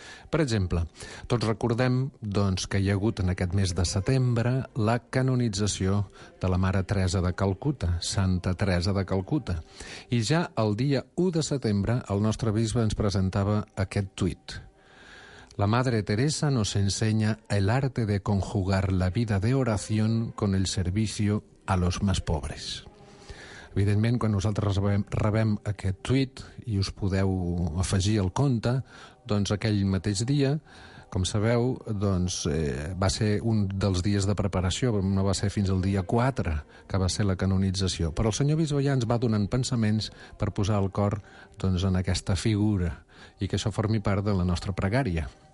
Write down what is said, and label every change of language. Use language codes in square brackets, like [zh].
[ca] Per exemple, tots recordem, doncs, que hi ha hagut en aquest mes de setembre la canonització de la Mare Teresa de Calcuta, Santa Teresa de Calcuta. I ja el dia 1 de setembre el nostre bisbe ens presentava aquest tuit. [es] La Madre Teresa nos enseña el arte de conjugar la vida de oración con el servicio a los más pobres. [ca] Evidentment, quan nosaltres rebem aquest tuit i us podeu afegir al compte, doncs aquell mateix dia, com sabeu, doncs, va ser un dels dies de preparació, no va ser fins al dia 4 que va ser la canonització. Però el senyor bisbe ja ens va donant pensaments per posar el cor, doncs, en aquesta figura i que això formi part de la nostra pregària.